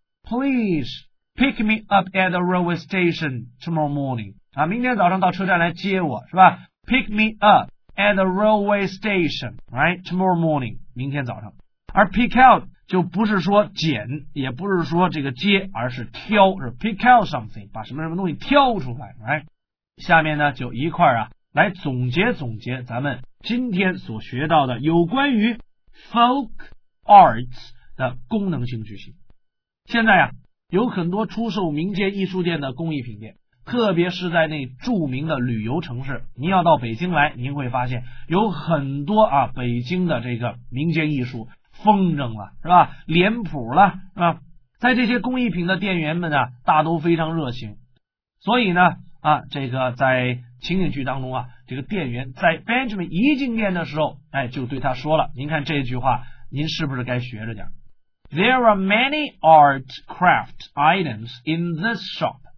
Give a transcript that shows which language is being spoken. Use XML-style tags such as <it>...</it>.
<en>Please pick me up at the railway station tomorrow morning.</en> <zh>啊，明天早上到车站来接我，是吧？</zh> <en>Pick me up at the railway station, right? Tomorrow morning,</en> <zh>明天早上。而 pick out 就不是说捡，也不是说这个接，而是挑，是</zh> <en>pick out something,</en> <zh>把什么什么东西挑出来， right? 下面呢，就一块啊，来总结总结咱们今天所学到的有关于 folk arts 的功能性句型。现在啊，有很多出售民间艺术店的工艺品店，特别是在那著名的旅游城市，您要到北京来，您会发现有很多啊北京的这个民间艺术风筝了，是吧？脸谱了，是吧？在这些工艺品的店员们呢，大都非常热情，所以呢啊，这个在情景剧当中啊，这个店员在 Benjamin 一进店的时候，哎，就对他说了，您看这句话，您是不是该学着点？</zh> <en>There are many art craft items in this shop.</en>